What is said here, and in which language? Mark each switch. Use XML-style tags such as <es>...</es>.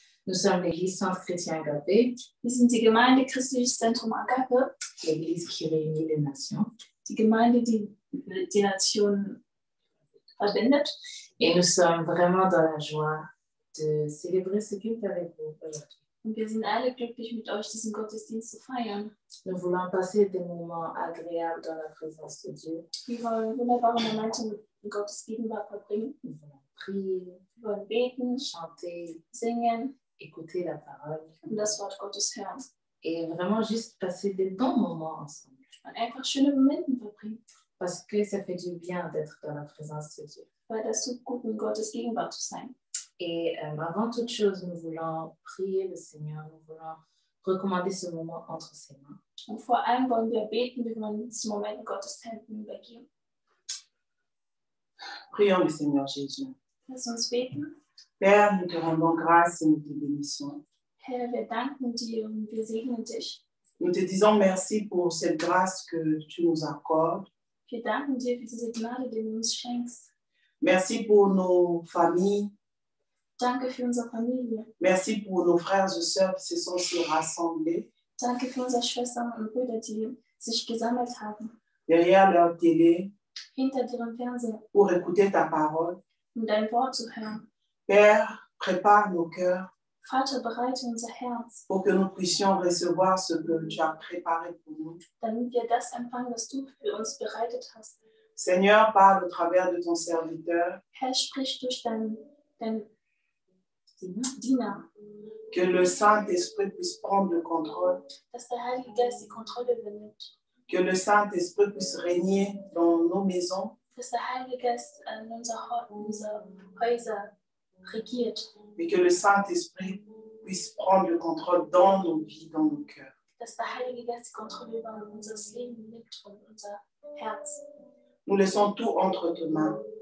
<fr>Nous sommes l'église Centre Chrétien Agape.</fr> <de>Wir sind die Gemeinde Christliches Zentrum Agape.</de> <fr>L'église qui réunit les nations.</fr> <de>Die Gemeinde, die Nationen verbindet.</de> <fr>Et nous sommes vraiment dans la joie de célébrer ce culte avec vous aujourd'hui.</fr> <de>Und wir sind alle glücklich, mit euch diesen Gottesdienst zu feiern.</de> <fr>Nous voulons passer des moments agréables dans la présence de Dieu.</fr> <de>Wir wollen wunderbare Momente in Gottes Gegenwart verbringen.</de> <fr>Nous voulons prier,</fr> <de>wir wollen beten,</de> <fr>chanter,</fr> <de>singen,</de> <fr>écouter la parole,</fr> <de>und das Wort Gottes hören.</de> <fr>Et vraiment juste passer des bons moments ensemble.</fr> <de>Und einfach schöne Momente verbringen.</de> <fr>Parce que ça fait du bien d'être dans la présence de Dieu.</fr> <de>Weil das tut gut, in Gottes Gegenwart zu sein.</de> <fr>Et avant toute chose, nous voulons prier le Seigneur, nous voulons recommander ce moment entre ses mains.</fr> <de>Und vor allem wollen wir beten, wir wollen diesen Moment Gottes Händen übergeben.</de> <fr>Prions le Seigneur Jésus.</fr> <de>Lass uns beten.</de> <fr>Père, nous te rendons grâce et nous te bénissons.</fr> <de>Herr, wir danken dir und wir segnen dich.</de> <fr>Nous te disons merci pour cette grâce que tu nous accordes.</fr> <de>Wir danken dir für diese Gnade, die du uns schenkst.</de> <fr>Merci pour nos familles.</fr> <de>Danke für unsere Familie.</de> <fr>Merci pour nos frères et sœurs qui se sont rassemblés.</fr> <de>Danke für unsere Schwestern und Brüder, die sich gesammelt haben.</de> <fr>Derrière leur télé.</fr> <de>Hinter ihrem Fernseher.</de> <fr>Pour écouter ta parole.</fr> <de>Um dein Wort zu hören.</de> <fr>Père, prépare nos cœurs.</fr> <de>Vater, bereite unser Herz.</de> <fr>Pour que nous puissions recevoir ce que tu as préparé pour nous.</fr> <de>Damit wir das empfangen, was du für uns bereitet hast.</de> <fr>Seigneur, parle au travers de ton serviteur.</fr> <de>Herr, sprich durch dein Dina.</de> <fr>Que le Saint-Esprit puisse prendre le contrôle.</fr> <de>Dass der Heilige Geist die Kontrolle übernimmt.</de> <fr>Que le Saint-Esprit puisse régner dans nos maisons.</fr> <de>Dass der Heilige Geist in unser Häuser regiert.</de> <fr>Mais que le Saint-Esprit puisse prendre le contrôle dans nos vies, dans nos cœurs.</fr> <de>Dass der Heilige Geist die Kontrolle über unser Leben nimmt und unser Herz.</de> <fr>Nous laissons tout entre tes mains.</fr>